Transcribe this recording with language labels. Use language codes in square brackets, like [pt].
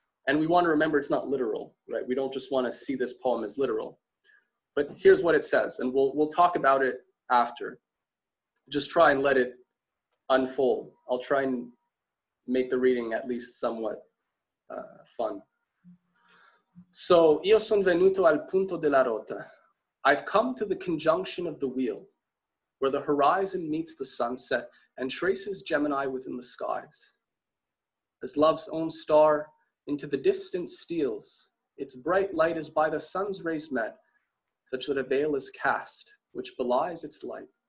[en] And we want to remember it's not literal, right? We don't just want to see this poem as literal. But here's what it says, and we'll talk about it after. Just try and let it unfold. I'll try and make the reading at least somewhat fun. [it] So, io son venuto al punto della rota. [en] I've come to the conjunction of the wheel, where the horizon meets the sunset and traces Gemini within the skies. As love's own star into the distance steals, its bright light is by the sun's rays met, such that a veil is cast, which belies its light.